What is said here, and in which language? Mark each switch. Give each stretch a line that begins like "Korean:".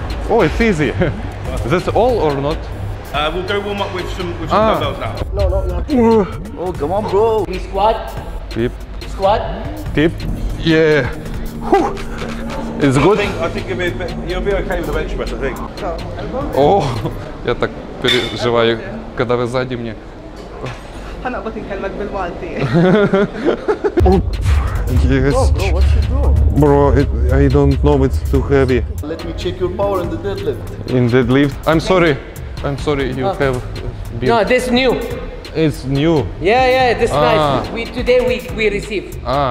English: Oh, it's easy. Is this all or not? We'll go warm up with some dumbbells now. No. Oh, come on, bro. We squat. Tip. Squat. Tip. Yeah. Whew. It's good. I think you'll be okay with the bench press, I think.
Russian: Oh, я так переживаю, когда вы сзади мне. Она бы хотела бельмальти.
English: Yes. Bro, what's your draw? Bro, I don't know, it's too heavy. Let me check your power in the deadlift. In deadlift? I'm sorry, you have built. No, this new. It's new. Yeah, this is nice. Today we receive.